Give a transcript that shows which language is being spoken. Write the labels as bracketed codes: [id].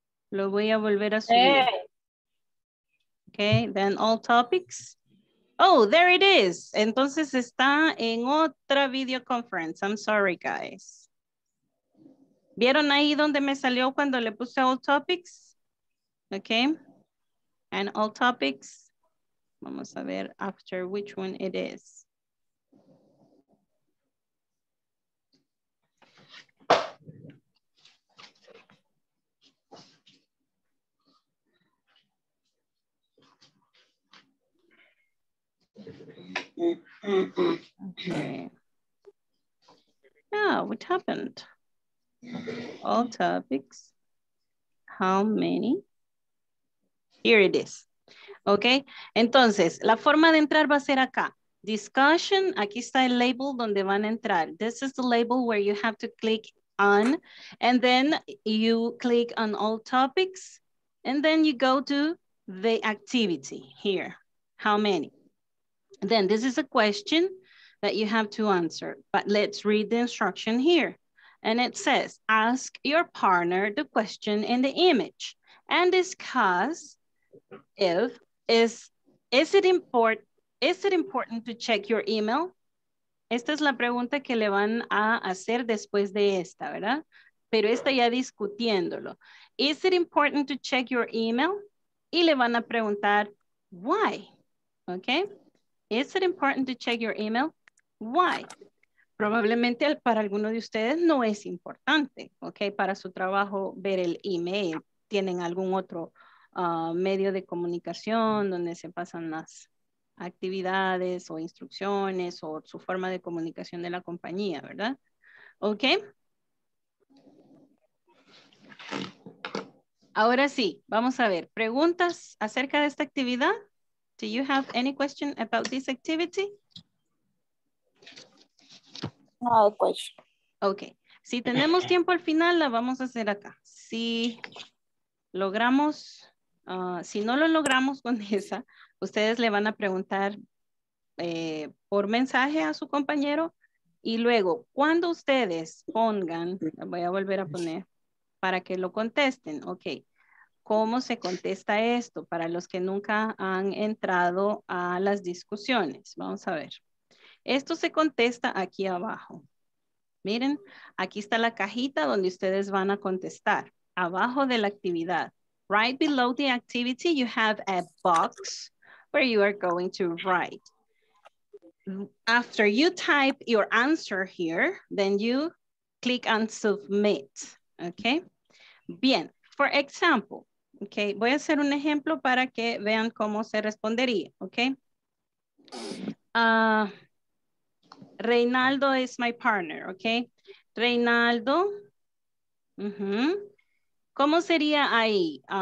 [es] Lo voy a volver a subir. Ok, [en] then all topics. Oh, there it is. [es] Entonces está en otra video conference. [en] I'm sorry, guys. [es] ¿Vieron ahí donde me salió cuando le puse all topics? [en] Okay. And all topics. [es] Vamos a ver [en] after which one it is. Okay. Yeah, what happened? All topics. How many? Here it is. Okay. [es] Entonces, la forma de entrar va a ser acá. Discussion. Aquí está el label donde van a entrar. [en] This is the label where you have to click on. And then you click on all topics. And then you go to the activity here. How many? Then this is a question that you have to answer, but let's read the instruction here. And it says, ask your partner the question in the image and discuss if, is it important to check your email? [es] Esta es la pregunta que le van a hacer después de esta, ¿verdad? Pero está ya discutiéndolo. [en] Is it important to check your email? [es] Y le van a preguntar, why? Okay. [en] Is it important to check your email? Why? [es] Probablemente para alguno de ustedes no es importante, ¿ok? Para su trabajo ver el email. ¿Tienen algún otro medio de comunicación donde se pasan las actividades o instrucciones o su forma de comunicación de la compañía, ¿verdad? ¿Ok? Ahora sí, vamos a ver. ¿Preguntas acerca de esta actividad? [en] Do you have any question about this activity? No question. Okay. [es] Si tenemos tiempo al final, la vamos a hacer acá. Si logramos, si no lo logramos con esa, ustedes le van a preguntar por mensaje a su compañero. Y luego, cuando ustedes pongan, voy a volver a poner para que lo contesten. Okay. ¿Cómo se contesta esto para los que nunca han entrado a las discusiones? Vamos a ver. Esto se contesta aquí abajo. Miren, aquí está la cajita donde ustedes van a contestar. Abajo de la actividad. [en] Right below the activity, you have a box where you are going to write. After you type your answer here, then you click on submit. Okay. [es] Bien, [en] for example, [es] okay, voy a hacer un ejemplo para que vean cómo se respondería, okay? [en] Reinaldo is my partner, okay? [es] Reinaldo, ¿cómo sería ahí?